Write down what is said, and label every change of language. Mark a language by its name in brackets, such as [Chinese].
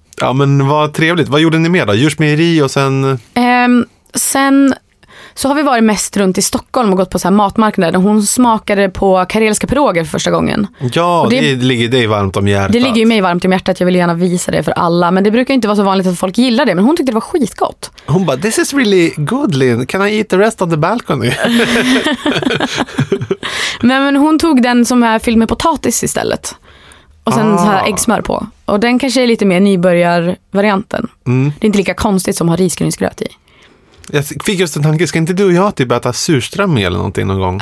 [Swedish] Ja, men vad trevligt. Vad gjorde ni mer då? Djursmejeri och sen... Sen så har vi varit mest runt i Stockholm och gått på så här matmarknader. Hon smakade på karelska piroger för första gången. Ja, det ligger dig varmt om hjärtat. Det ligger ju mig varmt om hjärtat. Jag vill gärna visa det för alla. Men det brukar inte vara så vanligt att folk gillar det. Men hon tyckte det var skitgott. Hon bara, [English] this is really good, Lynn. Can I eat the rest of the balcony? [Swedish] men hon tog den som är fylld med potatis istället. Och sen så här äggsmör på. Och den kanske är lite mer nybörjarvarianten. Mm. Det är inte lika konstigt som att ha risgrynsgröt i. Jag fick just en tanke, ska inte du och jag typ äta surströmming eller någonting någon gång